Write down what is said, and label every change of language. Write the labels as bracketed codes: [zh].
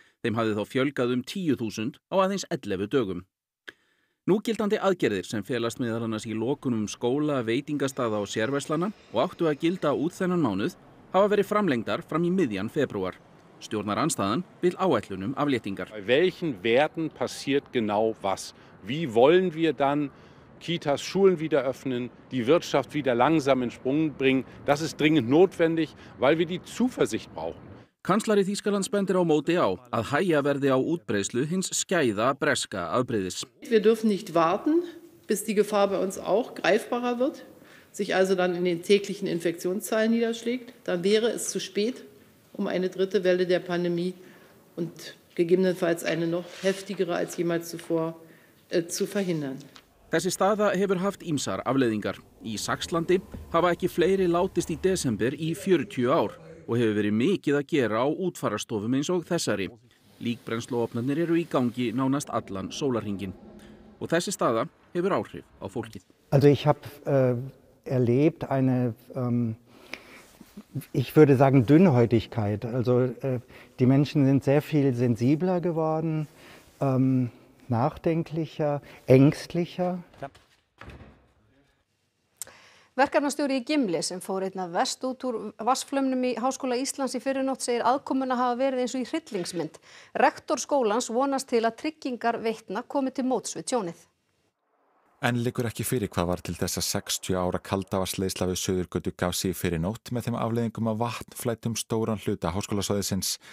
[is] Þeim hafði þá fjölgað 10.000 á aðeins 11 dögum. Núgildandi aðgerðir sem felast meðal annars í lokunum skóla, veitingastaða og sérverslana og áttu að gilda út þennan mánuð hafa verið framlengdar fram í miðjan febrúar. Stjórnarandstaðan vill áætlunum afléttingar. [de] Í welchen Werten passiert genau was? Wie wollen wir dann Kitas, Schulen wieder öffnen, die Wirtschaft wieder langsam in Sprung bringen? Das ist dringend notwendig, weil wir die Zuversicht brauchen. [is] Kanslari Þýskalands bendir á móti á að hægja verði á útbreiðslu hins skæða breska afbrigðis. [de] Wir dürfen nicht warten, bis die Gefahr bei uns auch greifbarer wird, sich also dann in den täglichen Infektionszahlen niederschlägt, dann wäre es zu spät, um eine dritte Welle der Pandemie und gegebenenfalls eine noch heftigere als jemals zuvor zu verhindern. [is] Þessi staða hefur haft ýmsar afleiðingar. Í Saxlandi hafa ekki fleiri látist í desember í 40 ár og hefur verið mikið að gera á útfararstofum eins og þessari. Líkbrennsluofnarnir eru í gangi nánast allan sólarhringin. Og þessi staða hefur áhrif á fólkið. [de] Also ich habe erlebt eine ich würde sagen Dünnhäutigkeit. Also die Menschen sind sehr viel sensibler geworden. Nachdenklicher, ängstlicher. [is] Verkefnastjóri í Gimli sem fór einna vest út úr vatnsflaumnum í Háskóla Íslands í fyrrinótt segir aðkomuna hafa verið eins og í hryllingsmynd. Rektor skólans vonast til að tryggingar veitna komi til móts við tjónið. En liggur ekki fyrir hvað var til þess að 60 ára kaldavatnsleiðsla við Suðurgötu gaf sig í fyrrinótt með þeim afleiðingum að vatn flæddum stóran hluta háskólasvæðisins.